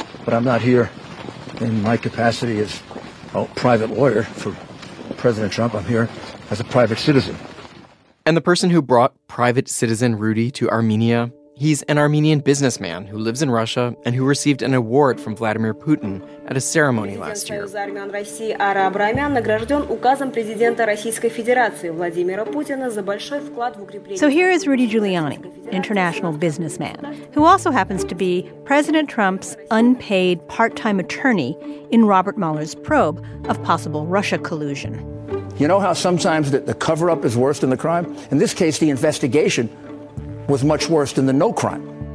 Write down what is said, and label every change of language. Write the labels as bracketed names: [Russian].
[English] But I'm not here in my capacity as a private lawyer for President Trump. I'm here as a private citizen. And the person who brought private citizen Rudy to Armenia, he's an Armenian businessman who lives in Russia and who received an award from Vladimir Putin at a ceremony last year. [Russian] Президент Союза армян России Ара Абрамян награжден указом президента Российской Федерации Владимира Путина за большой вклад в укрепление... [English] So here is Rudy Giuliani, international businessman, who also happens to be President Trump's unpaid part-time attorney in Robert Mueller's probe of possible Russia collusion. You know how sometimes the cover-up is worse than the crime? In this case, the investigation was much worse than the no crime.